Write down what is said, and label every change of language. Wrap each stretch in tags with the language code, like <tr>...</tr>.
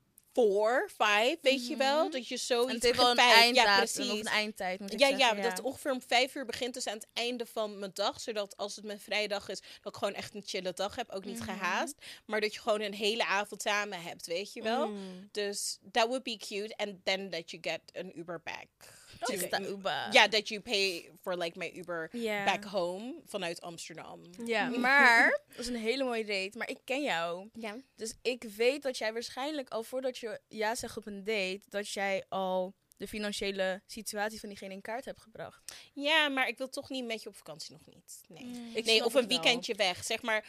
<nl>4, 5, weet je wel? Dat je zoiets... En het heeft wel een einddatum, ja, precies. Of een eindtijd, moet ik ja, zeggen. Ja, dat het ongeveer om 5 uur begint, dus aan het einde van mijn dag. Zodat als het mijn vrijdag is, dat ik gewoon echt een chille dag heb. Ook niet gehaast. Maar dat je gewoon een hele avond samen hebt, weet je wel?</nl> <en>Mm. Dus that would be cute. And then that you get an Uber back.</en> <nl>Uber.</nl> <en>Ja, that you pay for like my Uber back home</en> <nl>vanuit Amsterdam. Ja, maar, dat is een hele mooie date, maar ik ken jou. Ja. Dus ik weet dat jij waarschijnlijk al voordat je ja zegt op een date, dat jij al de financiële situatie van diegene in kaart hebt gebracht. Ja, maar ik wil toch niet met je op vakantie nog niet. Nee, nee of een weekendje weg, zeg maar.</nl>